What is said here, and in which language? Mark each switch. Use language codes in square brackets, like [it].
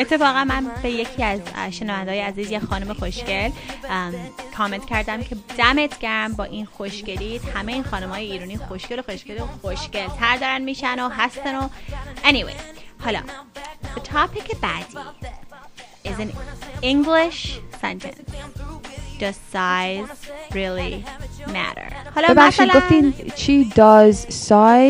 [fa] اتفاقا من به یکی از شنوندای عزیز یه خانم خوشگل کامنت کردم که دمت گرم با این خوشگلیت. همه این خانمای ایرانی خوشگل و خوشگل و خوشگل تر دارن میشن و هستن و anyway. حالا [en] the topic [fa] بعدی [en] is an English sentence. Does size really matter? [fa] حالا مثلا گفتین چی [en] does size